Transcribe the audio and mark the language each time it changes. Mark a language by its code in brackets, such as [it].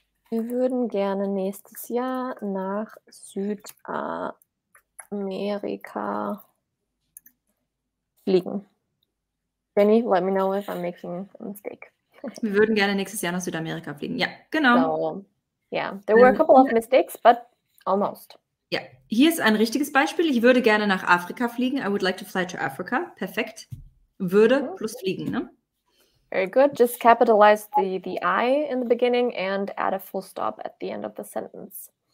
[de] Wir würden gerne nächstes Jahr nach Südamerika fliegen. [en] Jenny, let me know if I'm making a mistake. [de] Wir würden gerne nächstes Jahr nach Südamerika fliegen. Ja, genau. [en] So, yeah, there were a couple of mistakes, but almost. [de] Ja, hier ist ein richtiges Beispiel. Ich würde gerne nach Afrika fliegen. [en] I would like to fly to Africa. [de] Perfekt. Würde plus fliegen, ne? [en] Very good. Just capitalize the I in the beginning and add a full stop at the end of the sentence.